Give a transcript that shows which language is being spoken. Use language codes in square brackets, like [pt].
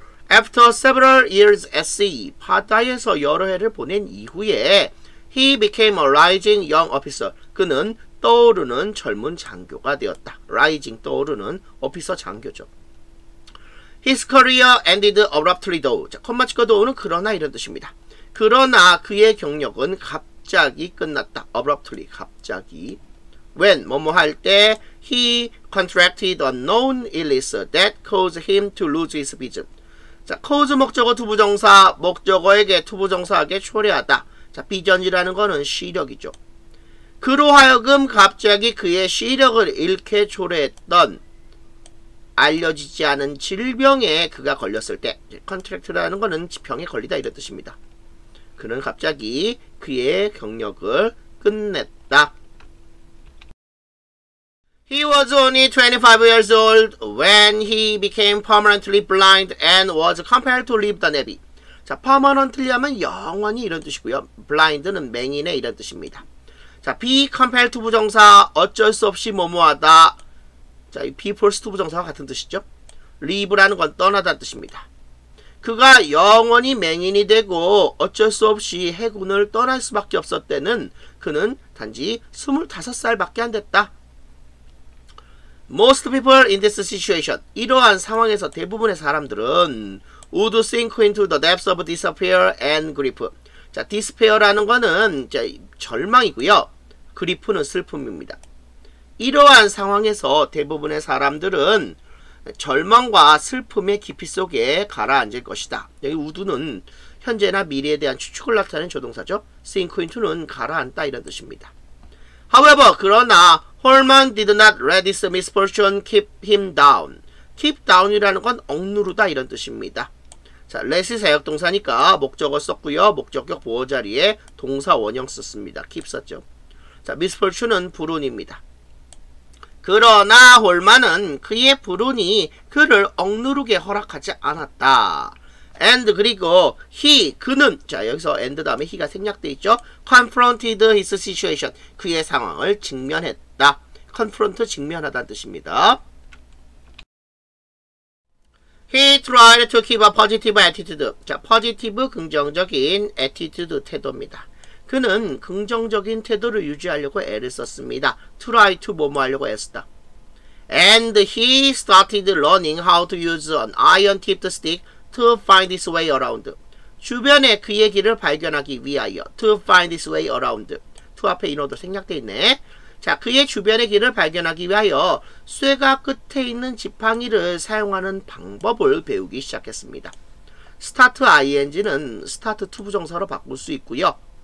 [en] After several years at sea, [ko] 바다에서 여러 해를 보낸 이후에 [en] he became a rising young officer. [ko] 그는 떠오르는 젊은 장교가 되었다. [en] rising, [ko] 떠오르는 [en] officer [ko] 장교죠. [en] His career ended abruptly though. [ko] 자, 콤마 찍고 though는 그러나 이런 뜻입니다. 그러나 그의 경력은 갑자기 끝났다. abruptly, 갑자기. [en] When, [ko] 뭐뭐 할 때, [en] he contracted a known illness that caused him to lose his vision. [ko] 자, cause 목적어 to 부정사, 목적어에게 to 부정사하게 초래하다. 자, vision이라는 거는 시력이죠. 그로 하여금 갑자기 그의 시력을 잃게 초래했던 알려지지 않은 질병에 그가 걸렸을 때, contract라는 거는 병에 걸리다 이런 뜻입니다. 그는 갑자기 그의 경력을 끝냈다. [en] He was only 25 years old when he became permanently blind and was compelled to leave the Navy. [ko] 자, permanently 하면 영원히 이런 뜻이고요. blind는 맹인의 이런 뜻입니다. 자, be compelled to 부정사, 어쩔 수 없이 뭐뭐하다. 자, 이 be forced to 부정사와 같은 뜻이죠. leave라는 건 떠나다 뜻입니다. 그가 영원히 맹인이 되고 어쩔 수 없이 해군을 떠날 수밖에 없었대는 그는 단지 25살밖에 안 됐다. [en] Most people in this situation, [ko] 이러한 상황에서 대부분의 사람들은 [en] would sink into the depths of despair and grief. [ko] 자, despair라는 거는 자, 절망이고요. grief는 슬픔입니다. 이러한 상황에서 대부분의 사람들은 절망과 슬픔의 깊이 속에 가라앉을 것이다. 여기 우두는 현재나 미래에 대한 추측을 나타내는 조동사죠. sink into는 가라앉다 이런 뜻입니다. [en] However, [ko] 그러나 [en] Holman did not let this misfortune keep him down. [ko] keep down이라는 건 억누르다 이런 뜻입니다. 자, let이 사역동사니까 목적어 썼고요. 목적격 보호자리에 동사 원형 썼습니다. keep 썼죠. 자, misfortune은 불운입니다. 그러나 홀만은 그의 불운이 그를 억누르게 허락하지 않았다. And 그리고 he, 그는, 자 여기서 and 다음에 he가 생략되어 있죠. [en] confronted his situation, [ko] 그의 상황을 직면했다. confront, 직면하다는 뜻입니다. [en] He tried to keep a positive attitude. 자, positive, [ko] 긍정적인 [en] attitude, [ko] 태도입니다. 그는 긍정적인 태도를 유지하려고 애를 썼습니다. Try to 뭐뭐 하려고 애썼다. [en] And he started learning how to use an iron-tipped stick to find his way around. [ko] 주변에 그의 길을 발견하기 위하여. [en] To find his way around. [ko] To 앞에 인어도 생략되어 있네. 자, 그의 주변의 길을 발견하기 위하여 쇠가 끝에 있는 지팡이를 사용하는 방법을 배우기 시작했습니다. Start ing는 start to 부정사로 바꿀 수 있고요.